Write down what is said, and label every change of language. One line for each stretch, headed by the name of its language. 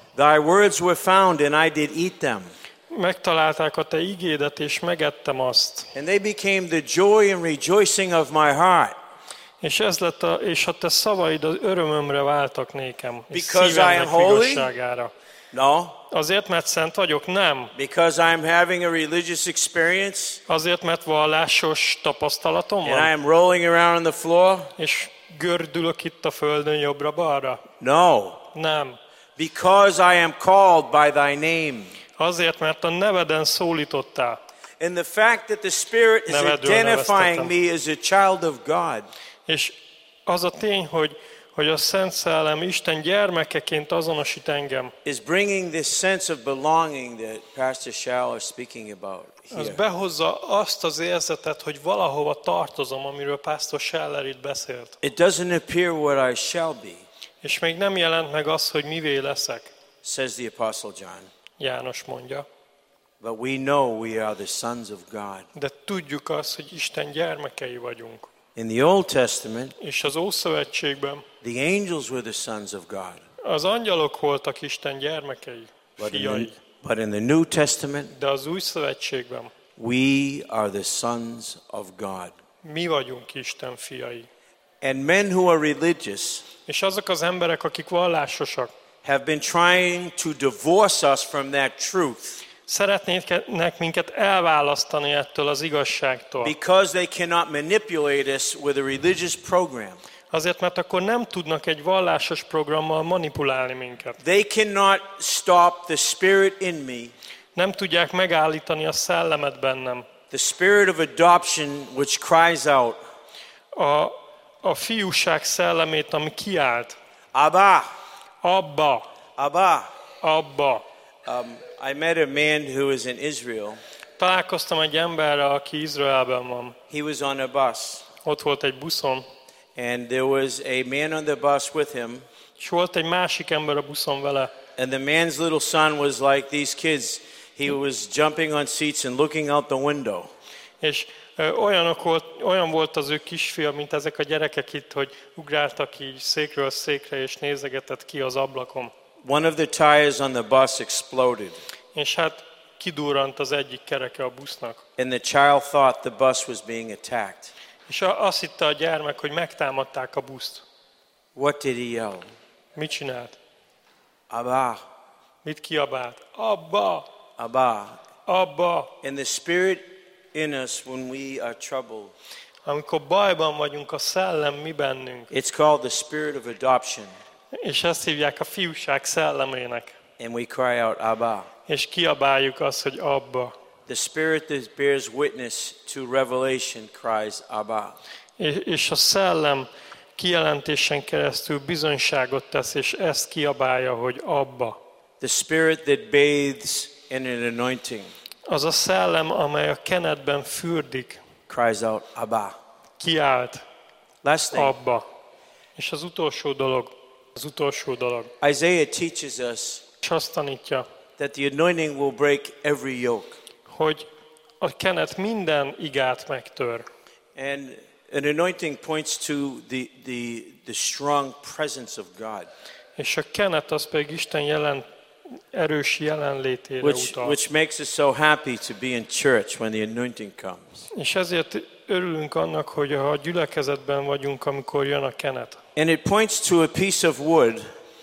English: Thy words were found and I did eat them.
Hungarian: Megtalálták a te igédet és megettem azt.
English: And they became the joy and rejoicing of my heart.
Hungarian: És ez lett a, és a te szavaid az örömömre váltak nékem.
English: Because I am holy? No.
Hungarian: Azért, mert szent vagyok? Nem.
English: Because I'm having a religious experience?
Hungarian: Azért, mert vallásos tapasztalatom van?
English: And I am rolling around on the floor?
Hungarian: És gördülök itt a földön jobbra-balra?
English: No.
Hungarian: Nem.
English: Because I am called by thy name?
Hungarian: Azért, mert a neveden szólítottál.
English: And the fact that the Spirit is identifying me as a child of God.
Hungarian: És az a tény, hogy a Szent Szellem Isten gyermekeként azonosít engem.
English: Is bringing this sense of belonging that Pastor Shell is speaking about here.
Hungarian: Az behozza azt az érzetet, hogy valahova tartozom, amiről Pastor Scheller itt beszélt.
English: It doesn't appear what I shall be.
Hungarian: És még nem jelent meg az, hogy mivé leszek.
English: Says the Apostle John.
Hungarian: János mondja.
English: But we know we are the sons of God.
Hungarian: De tudjuk azt, hogy Isten gyermekei vagyunk.
English: In the Old Testament.
Hungarian: És az Ószövetségben.
English: The angels were the sons of God.
Hungarian: Az angyalok voltak Isten gyermekei, fiai.
English: But in the New Testament.
Hungarian: De az Új Szövetségben.
English: We are the sons of God.
Hungarian: Mi vagyunk Isten fiai.
English: And men who are religious.
Hungarian: És azok az emberek, akik vallásosak.
English: Have been trying to divorce us from that truth.
Hungarian: Szeretnének minket elválasztani ettől az igazságtól.
English: Because they cannot manipulate us with a religious program.
Hungarian: Azért, mert akkor nem tudnak egy vallásos programmal manipulálni minket.
English: They cannot stop the spirit in me.
Hungarian: Nem tudják megállítani a szellemet bennem.
English: The spirit of adoption which cries out.
Hungarian: A fiúság szellemét, ami kiált.
English: Abba.
Hungarian: Abba.
English: Abba.
Hungarian: Abba.
English: I met a man who is in Israel.
Hungarian: Találkoztam egy emberrel, aki Izraelben van.
English: He was on a bus.
Hungarian: Ott volt egy buszon.
English: And there was a man on the bus with him.
Hungarian: És volt egy másik ember a buszon vele.
English: And the man's little son was like these kids. He was jumping on seats and looking out the window.
Hungarian: És olyan volt az ő kisfia, mint ezek a gyerekek itt, hogy ugráltak így székről székre és nézegetett ki az ablakon.
English: One of the tires on the bus exploded.
Hungarian: És hát kidurrant az egyik kereke a busznak.
English: And the child thought the bus was being attacked.
Hungarian: És azt hitte a gyermek, hogy megtámadták a buszt.
English: What did he yell?
Hungarian: Mit csinált?
English: Abba.
Hungarian: Mit kiabált? Abba.
English: Abba.
Hungarian: Abba.
English: And the spirit in us when we are troubled.
Hungarian: Amikor bajban vagyunk, a szellem mi bennünk.
English: It's called the spirit of adoption.
Hungarian: És ezt hívják a fiúság szellemének.
English: And we cry out, Abba.
Hungarian: És kiabáljuk azt, hogy Abba.
English: The spirit that bears witness to revelation cries, Abba.
Hungarian: És a szellem kijelentésen keresztül bizonyságot tesz, és ezt kiabálja, hogy Abba.
English: The spirit that bathes in an anointing.
Hungarian: Az a szellem, amely a kenetben fürdik.
English: Cries out, Abba.
Hungarian: Kiált,
English: last thing.
Hungarian: Abba. És az utolsó dolog. Az utolsó dolog.
English: Isaiah teaches us
Hungarian: azt tanítja,
English: that the anointing will break every yoke.
Hungarian: Hogy a kenet minden igát megtör.
English: And an anointing points to the strong presence of God.
Hungarian: És a kenet az pedig Isten erős jelenlétére utal.
English: Which makes us so happy to be in church when the anointing comes.
Hungarian: És ezért örülünk annak, hogy a gyülekezetben vagyunk, amikor jön a kenet.
English: And it points to a piece of wood.